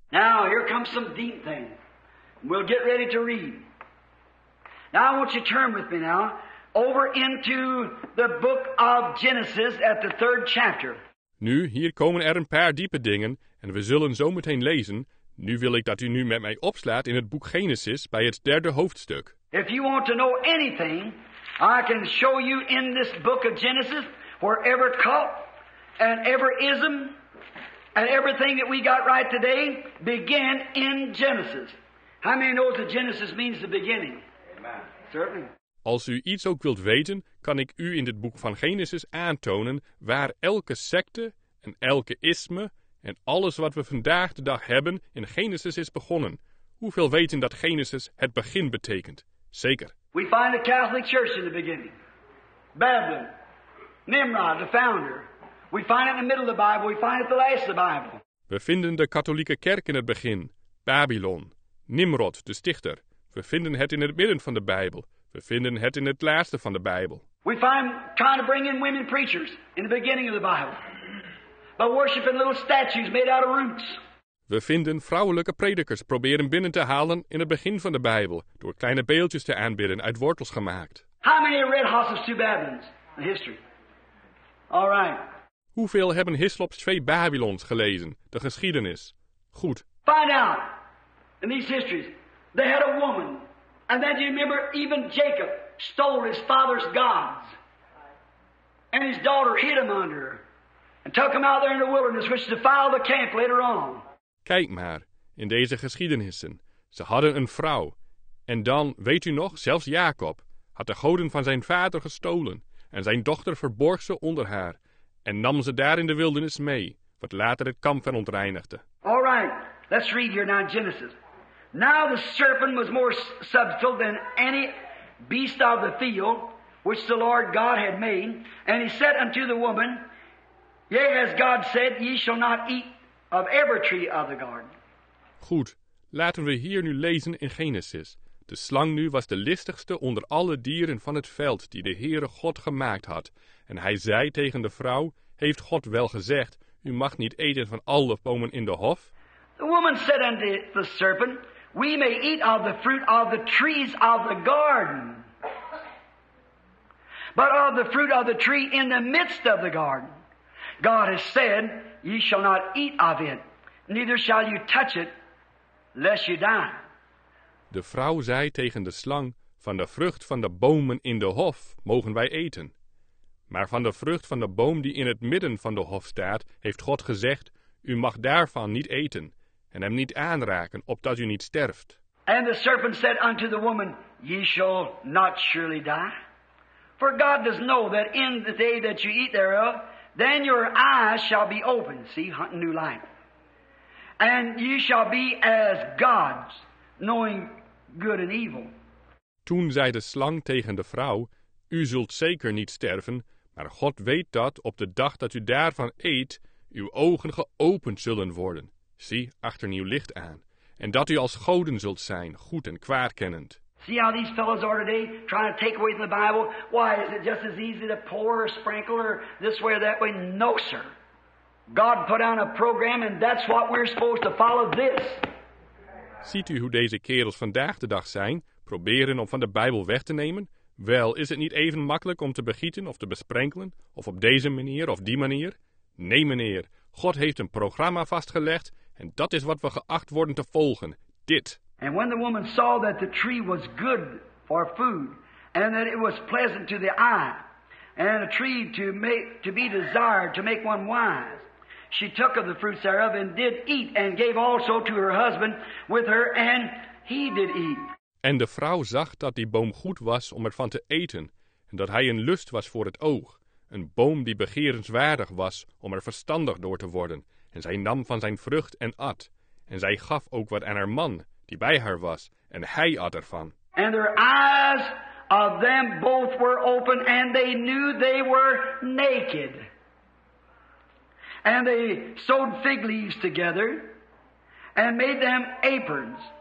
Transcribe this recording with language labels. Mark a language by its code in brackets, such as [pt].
[en] Now, here comes some deep thing. We'll get ready to read. Now, I want you to turn with me now over into the book of Genesis at the third chapter. [nl] Nu, hier komen er een paar diepe dingen en we zullen zo meteen lezen. Nu wil ik dat u nu met mij opslaat in het boek Genesis bij het derde hoofdstuk. [en] If you want to know anything, I can show you in this book of Genesis where every cult and every ism and everything that we got right today began in Genesis. How many knows that Genesis means the beginning? Amen. Certainly. [nl] Als u iets ook wilt weten, kan ik u in dit boek van Genesis aantonen waar elke secte en elke isme en alles wat we vandaag de dag hebben in Genesis is begonnen. Hoeveel weten dat Genesis het begin betekent? Zeker. [en] We find the Catholic Church in the beginning. Babylon. Nimrod, the founder. We find it in the middle of the Bible. We find it at the last of the Bible. [nl] We vinden de katholieke kerk in het begin. Babylon. Nimrod, de stichter. We vinden het in het midden van de Bijbel. We vinden het in het laatste van de Bijbel. [en] We find trying to bring in women preachers in the beginning of the Bible. By worshiping little statues made out of roots. [nl] We vinden vrouwelijke predikers proberen binnen te halen in het begin van de Bijbel door kleine beeldjes te aanbidden uit wortels gemaakt. [en] How many have read Hyslop's Two Babylons in history? All right. [nl] Hoeveel hebben Hyslop's Twee Babylons gelezen, de geschiedenis? Goed. [en] Find out in these histories they had a woman, and then you remember even Jacob stole his father's gods, and his daughter hid him under her. and took them out there in the wilderness, which defiled the camp later on. [nl] Kijk maar, in deze geschiedenissen, ze hadden een vrouw. En dan, weet u nog, zelfs Jacob had de goden van zijn vader gestolen en zijn dochter verborg ze onder haar en nam ze daar in de wildernis mee, wat later het kamp verontreinigde. [en] All right, let's read here now Genesis. Now the serpent was more subtle than any beast of the field which the Lord God had made. And he said unto the woman, yea, as God said, ye shall not eat of every tree of the garden. [nl] Goed, laten we hier nu lezen in Genesis. De slang nu was de listigste onder alle dieren van het veld die de Heere God gemaakt had. En hij zei tegen de vrouw, heeft God wel gezegd, u mag niet eten van alle bomen in de hof? [en] The woman said unto the serpent, we may eat of the fruit of the trees of the garden. But of the fruit of the tree in the midst of the garden, God has said, ye shall not eat of it, neither shall you touch it, lest you die. [nl] De vrouw zei tegen de slang, van de vrucht van de bomen in de hof mogen wij eten. Maar van de vrucht van de boom die in het midden van de hof staat, heeft God gezegd, u mag daarvan niet eten, en hem niet aanraken, opdat u niet sterft. [en] And the serpent said unto the woman, ye shall not surely die. For God does know that in the day that you eat thereof, then your eyes shall be opened. See, hunting new life. And you shall be as gods. Knowing good and evil. [nl] Toen zei de slang tegen de vrouw, u zult zeker niet sterven, maar God weet dat op de dag dat u daarvan eet, uw ogen geopend zullen worden. Zie, achter nieuw licht aan. En dat u als goden zult zijn, goed en kwaad kennend. [en] See how these fellows are today, trying to take away from the Bible? Why, is it just as easy to pour or sprinkle or this way or that way? No, sir. God put on a program and that's what we're supposed to follow this. [nl] Ziet u hoe deze kerels vandaag de dag zijn, proberen om van de Bijbel weg te nemen? Wel, is het niet even makkelijk om te begieten of te besprenkelen, of op deze manier of die manier? Nee, meneer, God heeft een programma vastgelegd en dat is wat we geacht worden te volgen, dit. [en] And when the woman saw that the tree was good for food, and that it was pleasant to the eye, and a tree to be desired to make one wise, she took of the fruits thereof and did eat, and gave also to her husband with her, and he did eat. [nl] En de vrouw zag dat die boom goed was om ervan te eten, en dat hij een lust was voor het oog, een boom die begeerenswaardig was om er verstandig door te worden, en zij nam van zijn vrucht en at, en zij gaf ook wat aan haar man, die bij haar was, en hij at ervan. [en] And their eyes of them both were open, and they knew they were naked. And they sewed fig leaves together and made them aprons.